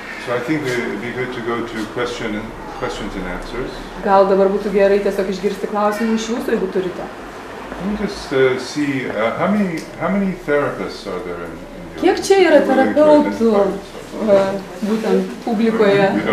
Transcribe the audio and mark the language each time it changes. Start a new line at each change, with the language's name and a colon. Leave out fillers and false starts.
English: So I think it would be good to go to questions and answers.
Lithuanian: Gal dabar būtų gerai tiesiog išgirsti klausimų iš jūsų, jeigu turite.
English: Let me just see, how many therapists are there in Europe?
Lithuanian: Kiek čia yra terapeutų būtent publikoje?